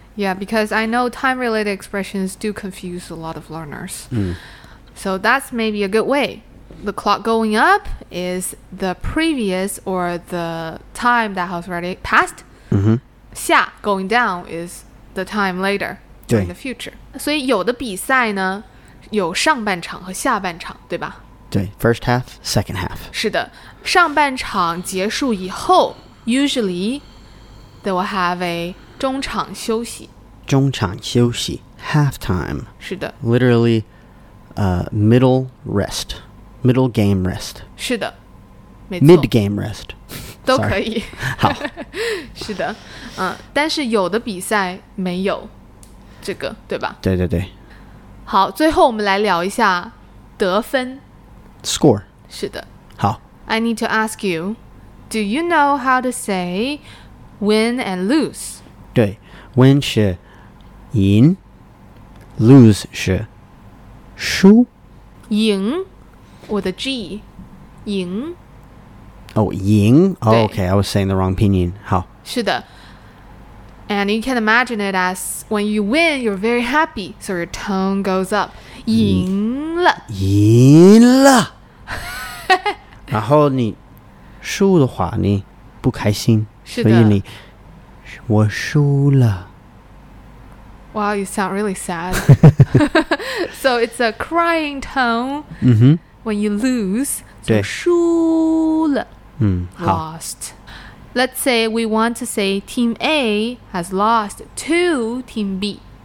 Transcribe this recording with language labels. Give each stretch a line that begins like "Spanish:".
English: Yeah, because I know time-related expressions do confuse a lot of learners. Mm. So that's maybe a good way. The clock going up is the previous or the time that has already passed. Mm-hmm. 下, going down, is the time later, in the future.
Chinese: 所以有的比赛呢,有上半场和下半场,对吧?
English: 对, first half, second half.
Chinese: 是的,上半场结束以后, usually, they will have a 中场休息。中场休息, halftime. 是的。
English: Literally, middle rest, middle game rest.
Chinese: 是的,没错。
English: Mid game rest.
Chinese: 都可以。好。是的,但是有的比赛没有这个,对吧? 对对对。好,最后我们来聊一下得分。
English: Score.
Chinese: 是的。好。
English: I need to ask you, do you know how to say win and lose?
Chinese: 对。Win 是赢。Lose 是输。
English: 赢。With a G. 赢。 Oh, 赢。 Oh, okay, I was saying the wrong 拼音。
Chinese: 好。是的。
English: And you can imagine it as when you win, you're very happy. So your tone goes up.
Chinese: 赢了。赢了。然后你输的话你不开心是的所以你我输了
English: Wow, you sound really sad So it's a crying tone、 mm-hmm. When you lose
Chinese: 对输了、
English: Lost Let's say we want to say Team A has lost to Team B、